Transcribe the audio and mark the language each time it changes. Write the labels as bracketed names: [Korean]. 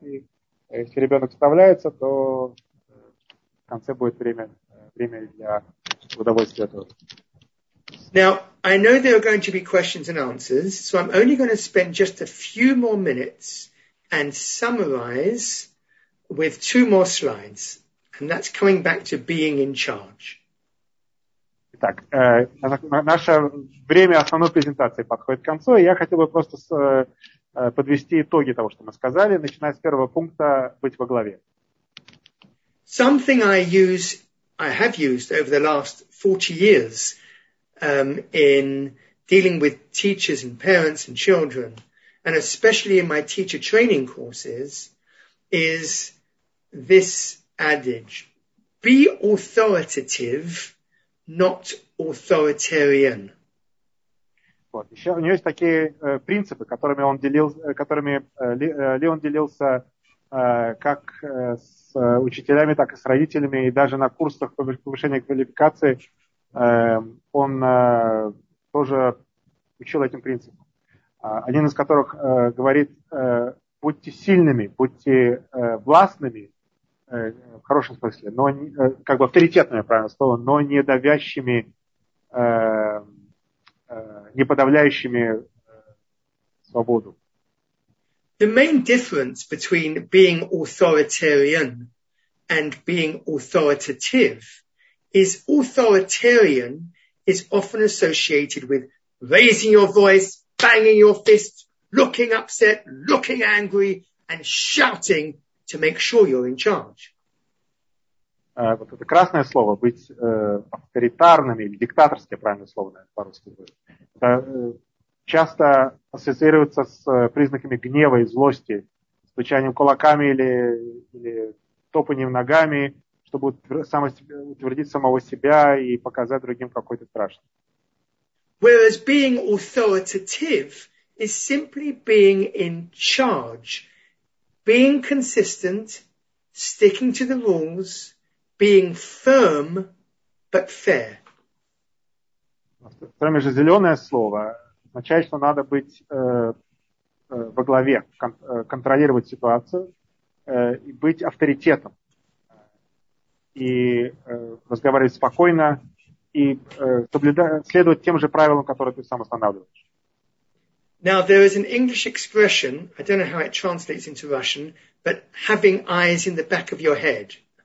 [Russian] И если ребенок справляется, то в конце будет время для удовольствия этого. [English] Now, I know there are going to be questions and answers, so I'm only going to spend just a few more minutes and summarize with two more slides, and that's coming back to being in charge. [Russian] Итак, наше время основной презентации подходит к концу, и я хотел бы просто подвести итоги того, что мы сказали, начиная с первого пункта «Быть во главе». [English] Something I have used over the last 40 years in dealing with teachers and parents and children, and especially in my teacher training courses, is this adage. Be authoritative, not authoritarian. [Russian] Вот. Еще у него есть такие принципы, которыми Леон делился как с учителями, так и с родителями, и даже на курсах повышения квалификации он тоже учил этим принципам. Один из которых говорит, будьте сильными, будьте властными, в хорошем смысле, но как бы авторитетными, правильно слово, но не давящими, не подавляющими свободу. [English] The main difference between being authoritarian and being authoritative is authoritarian is often associated with raising your voice, banging your fist, looking upset, looking angry, and shouting to make sure you're in charge. [Russian] Вот это красное слово, быть авторитарным или диктаторским, правильное слово, наверное, по-русски будет. Это часто ассоциируется с признаками гнева и злости, стучанием кулаками или топанием ногами, чтобы утвердить самого себя и показать другим какой-то страшный. [English] Whereas being authoritative is simply being in charge, being consistent, sticking to the rules, being firm, but fair. [Russian] Кроме же зеленое слово означает, что надо быть во главе, контролировать ситуацию и быть авторитетом. И разговаривать спокойно и следовать тем же правилам, которые ты сам устанавливаешь. [English] Now, there is an English expression, I don't know how it translates into Russian, but having eyes in the back of your head.